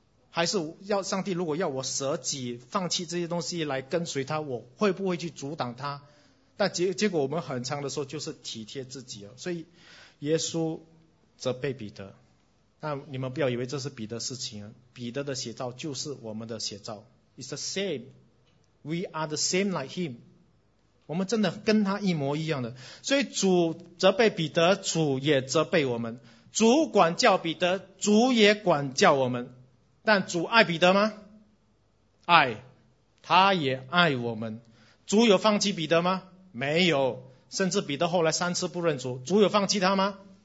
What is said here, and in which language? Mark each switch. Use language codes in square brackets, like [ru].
[zh] 还是要上帝如果要我舍己放弃这些东西来跟随他，我会不会去阻挡他？但结果我们很长的时候就是体贴自己啊，所以耶稣责备彼得。那你们不要以为这是彼得事情啊，彼得的写照就是我们的写照。 [en] It's the same, we are the same like him. [zh] 我们真的跟他一模一样的。所以主责备彼得，主也责备我们。主管教彼得，主也管教我们。但主爱彼得吗？爱，他也爱我们。主有放弃彼得吗？没有，甚至彼得后来三次不认主，主有放弃他吗？